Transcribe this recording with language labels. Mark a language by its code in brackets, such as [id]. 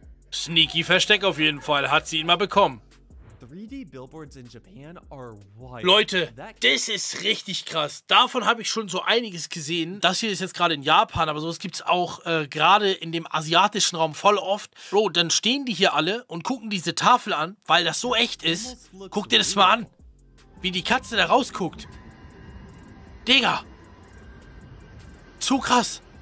[de] Sneaky Versteck auf jeden Fall. Hat sie ihn mal bekommen. [en] 3D Billboards in Japan are wild. [de] Leute, das ist richtig krass. Davon habe ich schon so einiges gesehen. Das hier ist jetzt gerade in Japan, aber sowas gibt es auch gerade in dem asiatischen Raum voll oft. Bro, dann stehen die hier alle und gucken diese Tafel an, weil das so echt ist. Guck dir das mal an, wie die Katze da rausguckt. Digga. Zu krass.